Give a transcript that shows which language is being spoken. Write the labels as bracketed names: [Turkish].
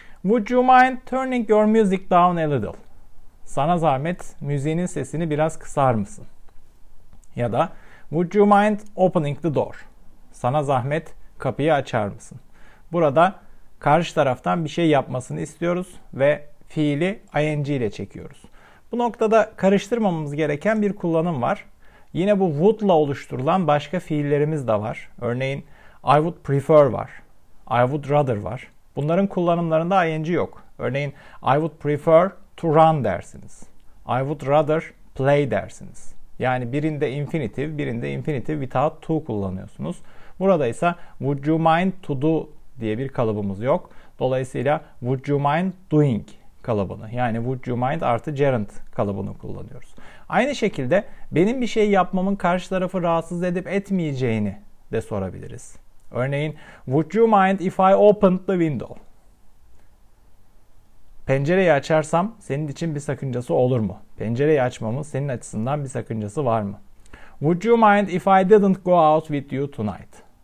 [English] Would you mind turning your music down a little? [Turkish] Sana zahmet müziğinin sesini biraz kısar mısın? Ya da [English] would you mind opening the door? [Turkish] Sana zahmet kapıyı açar mısın? Burada karşı taraftan bir şey yapmasını istiyoruz ve fiili ing ile çekiyoruz. Bu noktada karıştırmamamız gereken bir kullanım var. Yine bu would'la oluşturulan başka fiillerimiz de var. Örneğin [English] I would prefer var. I would rather var. [Turkish] Bunların kullanımlarında ing yok. Örneğin [English] I would prefer to run [Turkish] dersiniz. [English] I would rather play [Turkish] dersiniz. Yani birinde infinitive, birinde infinitive without to kullanıyorsunuz. Burada ise [English] would you mind to do [Turkish] diye bir kalıbımız yok. Dolayısıyla [English] would you mind doing [Turkish] kalıbını, yani would you mind artı gerund kalıbını kullanıyoruz. Aynı şekilde benim bir şey yapmamın karşı tarafı rahatsız edip etmeyeceğini de sorabiliriz. [English] Örneğin would you mind if I opened the window? [Turkish] Pencereyi açarsam senin için bir sakıncası olur mu? Pencereyi açmamın senin açısından bir sakıncası var mı? [English] Would you mind if I didn't go out with you tonight?